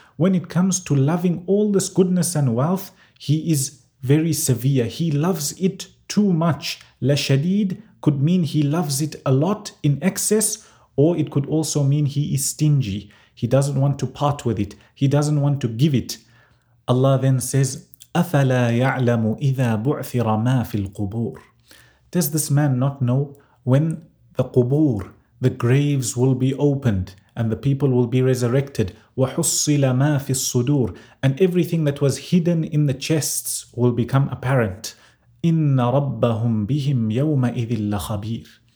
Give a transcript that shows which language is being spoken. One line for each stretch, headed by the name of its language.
English: When it comes to loving all this goodness and wealth, he is very severe. He loves it too much. لَشَدِيد could mean he loves it a lot in excess, or it could also mean he is stingy. He doesn't want to part with it. He doesn't want to give it. Allah then says,
Arabic: أَفَلَا يَعْلَمُ إِذَا بُعْثِرَ مَا فِي الْقُبُورِ.
English: Does this man not know when the qubur, the graves will be opened and the people will be resurrected?
Arabic: وَحُصِّلَ مَا فِي الصُّدُورِ.
English: And everything that was hidden in the chests will become apparent.
Arabic: إِنَّ رَبَّهُمْ بِهِمْ يَوْمَئِذٍ لَخَبِيرٌ.